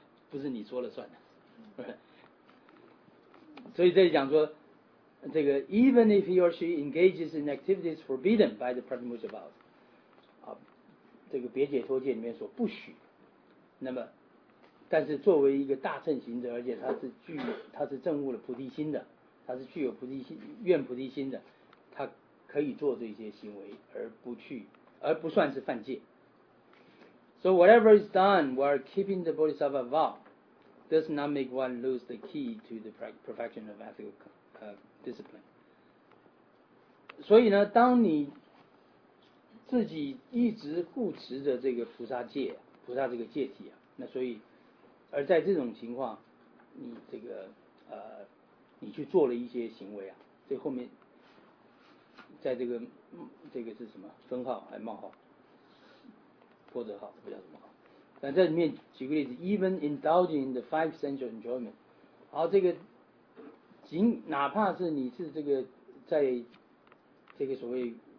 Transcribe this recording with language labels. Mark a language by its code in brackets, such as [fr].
[zh] 不是你说了算的。所以这里讲说，这个 [en] even if he or she engages in activities forbidden by the Pratimoksha vows， [zh] 啊，这个别解脱戒里面所不许，那么。但是作为一个大乘行者，而且他是证悟了菩提心的，他是具有菩提心愿菩提心的，他可以做这些行为而不算是犯戒。 [en] So whatever is done while keeping the bodhisattva vow does not make one lose the key to the perfection of ethical discipline。 [zh] 所以呢，当你自己一直护持着这个菩萨戒，菩萨这个戒体啊，那所以。而在这种情况，你这个你去做了一些行为啊，这后面，在这个是什么分号还冒号，波折号不叫什么号，但这里面举个例子 ， [en] even indulging the five sensual enjoyment， [zh] 好，这个仅哪怕是你是这个在这个所谓